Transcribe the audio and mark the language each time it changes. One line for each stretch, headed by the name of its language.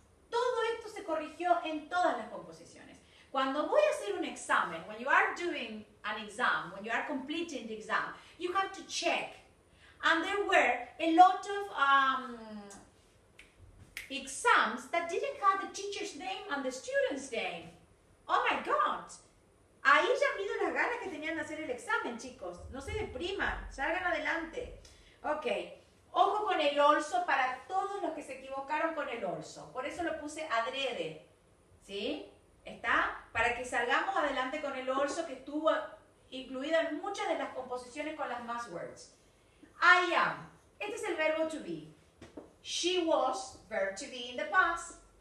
Spanish: Todo esto se corrigió en todas las composiciones. Cuando voy a hacer un examen,
English: when you are doing an exam, when you are completing the exam, you have to check. And there were a lot of exams that didn't have the teacher's name and the student's name. Oh my God!
Spanish: Ahí ya mido las ganas que tenían de hacer el examen, chicos. No se depriman, salgan adelante. Ok, ojo con el also para todos los que se equivocaron con el also. Por eso lo puse adrede, ¿sí? ¿Está? Para que salgamos adelante con el also que estuvo incluido en muchas de las composiciones con las must words.
English: I am.
Spanish: Este es el verbo to be.
English: She was, verb to be in the past.